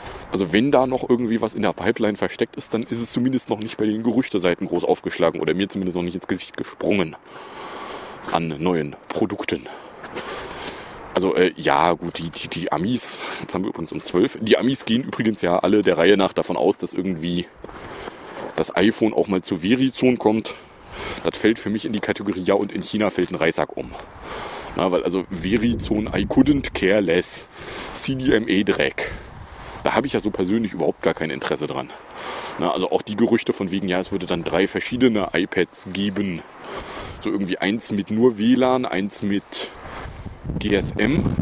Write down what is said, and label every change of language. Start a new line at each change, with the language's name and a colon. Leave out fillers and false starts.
German: Also wenn da noch irgendwie was in der Pipeline versteckt ist, dann ist es zumindest noch nicht bei den Gerüchteseiten groß aufgeschlagen oder mir zumindest noch nicht ins Gesicht gesprungen an neuen Produkten. Also die Amis, jetzt haben wir übrigens um 12, die Amis gehen übrigens ja alle der Reihe nach davon aus, dass irgendwie das iPhone auch mal zu Verizon kommt. Das fällt für mich in die Kategorie, ja, und in China fällt ein Reissack um. Na, weil also Verizon,
English: I couldn't care less,
German: CDMA-Dreck. Da habe ich ja so persönlich überhaupt gar kein Interesse dran. Na, also auch die Gerüchte von wegen, ja, es würde dann 3 verschiedene iPads geben. So irgendwie eins mit nur WLAN, eins mit GSM.